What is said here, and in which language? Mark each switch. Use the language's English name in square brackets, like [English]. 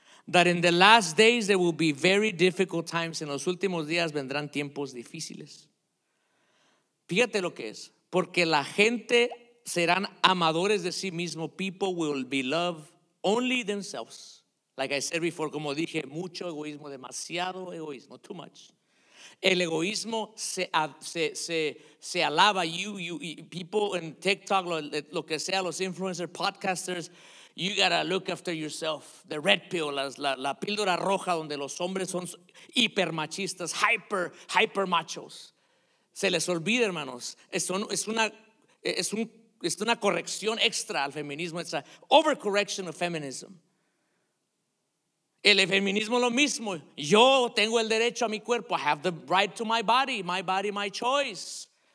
[English] That in the last days there will be very difficult times. [Spanish] En los últimos días vendrán tiempos difíciles. Fíjate lo que es. Porque la gente serán amadores de sí mismo. [English] People will be love only themselves. Like I said before, [Spanish] como dije, mucho egoísmo, demasiado egoísmo, [English] too much. [Spanish] El egoísmo se alaba. [English] People in TikTok, [Spanish] lo que sea, los [English] influencers, podcasters, you gotta look after yourself. The red pill, [Spanish] la píldora roja, donde los hombres son hipermachistas, [English] hyper machos. [Spanish] Se les olvida, hermanos. Es una corrección extra al feminismo, es una [English] overcorrection of feminism. [Spanish] El feminismo lo mismo. Yo tengo el derecho a mi cuerpo. [English] I have the right to my body, my choice.